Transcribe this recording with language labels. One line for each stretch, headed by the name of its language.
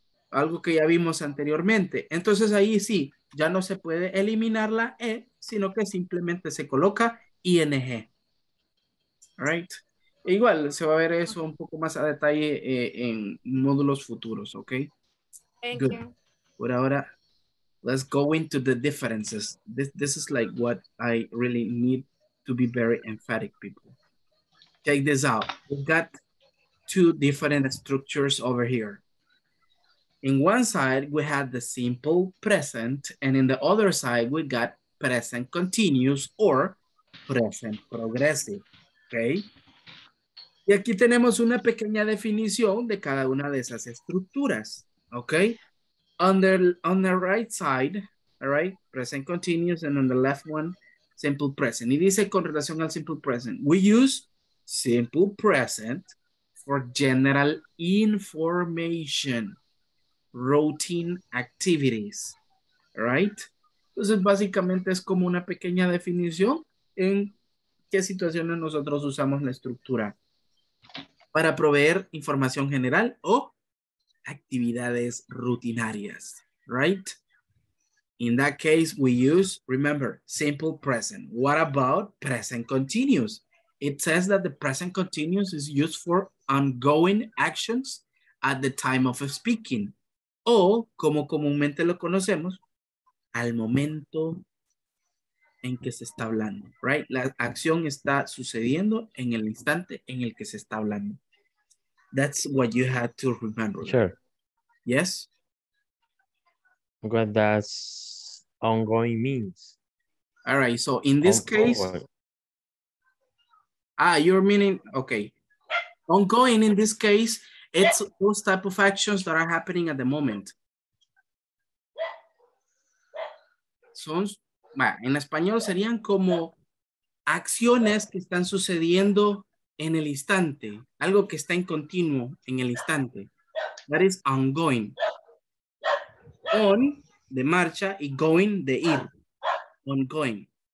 Spanish: Algo que ya vimos anteriormente. Entonces ahí sí, ya no se puede eliminar la E, sino que simplemente se coloca ING.
English: All right.
Spanish: E igual se va a ver eso un poco más a detalle en módulos futuros, ¿ok?
English: Thank Good. You.
Spanish: Por ahora,
English: let's go into the differences. This is like what I really need to be very emphatic, people. Check this out. We've got two different structures over here. In one side, we had the simple present, and in the other side, we got present continuous or present progressive, okay?
Spanish: Y aquí tenemos una pequeña definición de cada una de esas estructuras, okay?
English: On the right side, all right, present continuous, and on the left one, simple present.
Spanish: Y dice con relación al
English: simple present, we use simple present for general information. Routine activities, right?
Spanish: Entonces, básicamente es como una pequeña definición en qué situaciones nosotros usamos la estructura para proveer información general o actividades rutinarias, right?
English: In that case, we use, remember, simple present. What about present continuous? It says that the present continuous is used for ongoing actions at the time of speaking.
Spanish: O, como comúnmente lo conocemos, al momento en que se está hablando, right? La acción está sucediendo en el instante en el que se está hablando.
English: That's what you had to remember. Sure. Yes? What does ongoing means? All right, so in this case, you're meaning, okay. Ongoing in this case, it's those type of actions that are happening at the moment.
Spanish: Son, en español serían como acciones que están sucediendo en el instante, algo que está en continuo en el instante.
English: That is ongoing. On,
Spanish: de marcha,
English: y going,
Spanish: de ir.
English: Ongoing.